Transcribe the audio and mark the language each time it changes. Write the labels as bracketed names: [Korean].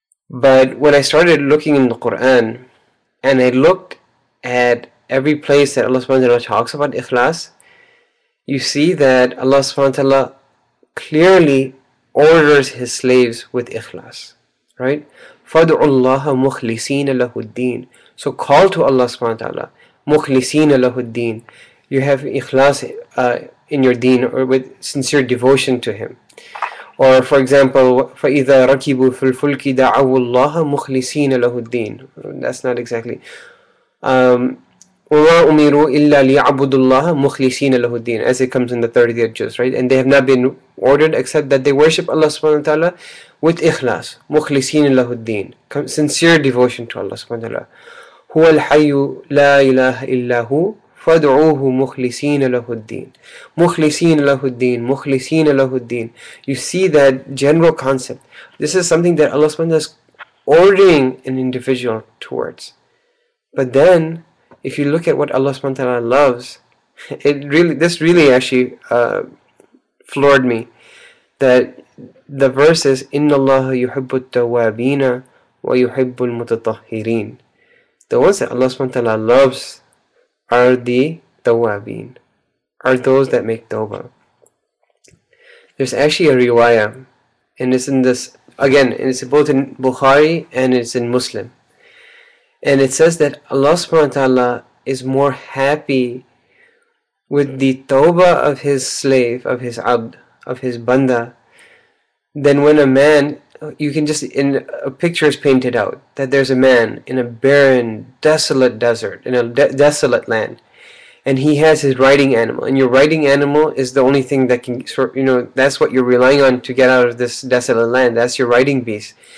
[English] But when I started looking in the Quran and I looked at every place that Allah subhanahu wa ta'ala talks about ikhlas, you see that Allah subhanahu wa ta'ala clearly orders his slaves with ikhlas, right? [Arabic] فَادْعُوا اللَّهَ مُخْلِصِينَ لَهُ الدِّينَ. [English] So call to Allah subhanahu wa ta'ala, مُخْلِصِينَ لَهُ الدِّينَ. You have ikhlas in your deen, or with sincere devotion to him. [Arabic] Or for example, فَإِذَا رَكِبُوا فِي الْفُلْكِ دَعَوُوا اللَّهَ مُخْلِصِينَ لَهُ الدِّينَ. That's not exactly. وَمَا أُمِرُوا إِلَّا لِيَعْبُدُوا اللَّهَ مُخْلِصِينَ لَهُ الدِّينَ. [English] As it comes in the 30th juz, right? And they have not been ordered except that they worship Allah subhanahu wa ta'ala with ikhlas. مُخْلِصِينَ لَهُ الدِّينَ. Sincere devotion to Allah subhanahu wa ta'ala. [Arabic] هُوَ الْحَيُّ لَا إِلَهَ إِلَّا هُوَ فَادْعُوهُ مُخْلِصِينَ لَهُ الدِّينَ. مُخْلِصِينَ لَهُ الدِّينَ. مُخْلِصِينَ لَهُ الدِّينَ. [English] You see that general concept. This is something that Allah subhanahu wa ta'ala is ordering an individual towards. But then, if you look at what Allah subhanahu wa ta'ala loves, this really actually floored me. That the verse is, إِنَّ اللَّهَ يُحِبُّ التَّوَّابِينَ وَيُحِبُّ الْمُتَطَهِّرِينَ. The ones that Allah subhanahu wa ta'ala loves are the tawabin, are those that make tawbah. There's actually a riwayah, and it's in this, again, it's both in Bukhari and it's in Muslim. And it says that Allah subhanahu wa ta'ala is more happy with the tawbah of his slave, of his abd, of his banda, than when a man, in a picture is painted out that there's a man in a barren, desolate desert, in a desolate land, and he has his riding animal, and your riding animal is the only thing that can sort, you know, that's what you're relying on to get out of this desolate land. That's your riding beast.